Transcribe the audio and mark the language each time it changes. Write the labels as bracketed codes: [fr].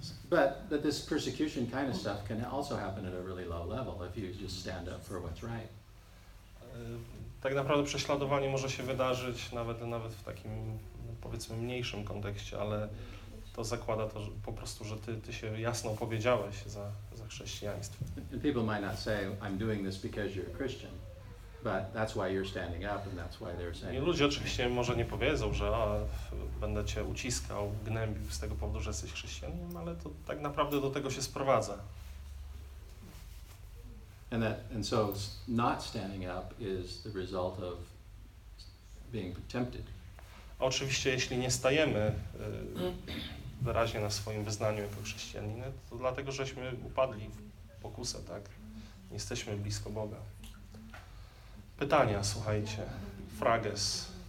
[en] But this persecution kind of stuff can also happen at a really low level if you just stand up for what's right. [pl] Tak naprawdę prześladowanie może się wydarzyć nawet w takim, powiedzmy, mniejszym kontekście, ale to zakłada to, że po prostu, że ty się jasno opowiedziałeś za chrześcijaństwo. [en] And people might not say, I'm doing this because you're a Christian, but that's why you're standing up and that's why they're saying. [pl] I ludzie oczywiście może nie powiedzą, że będę cię uciskał, gnębił z tego powodu, że jesteś chrześcijaninem, ale to tak naprawdę do tego się sprowadza. [en] And so not standing up is the result of being tempted. [pl] Oczywiście, jeśli nie stajemy wyraźnie na swoim wyznaniu jako chrześcijaninę, to dlatego, żeśmy upadli w pokusę, tak? Nie jesteśmy blisko Boga. Pytania, słuchajcie. Frages.